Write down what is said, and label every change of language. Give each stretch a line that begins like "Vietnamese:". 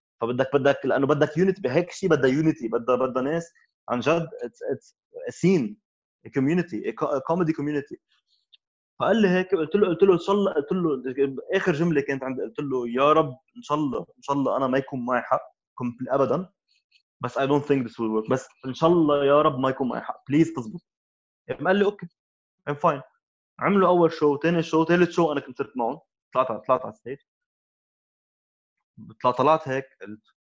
Arabic: فبدك لانه بدك يونيتي بهيك شيء, بدها يونيتي, بدها ناس عن جد.
English: It's a scene, a community, a comedy community.
Arabic: فقال لي هيك, قلت له ان شاء الله, قلت له اخر جمله كانت عند, قلت له يا رب ان شاء الله انا ما يكون معي حق ابدا, بس
English: I don't think this will work,
Arabic: بس ان شاء الله يا رب ما يكون معي حق, بليز تزبط. قال لي اوكي
English: I'm fine.
Arabic: عملوا اول شو, ثاني شو, ثالث شو انا كنت معهم, طلعت على الستيج, طلعت هيك قلت.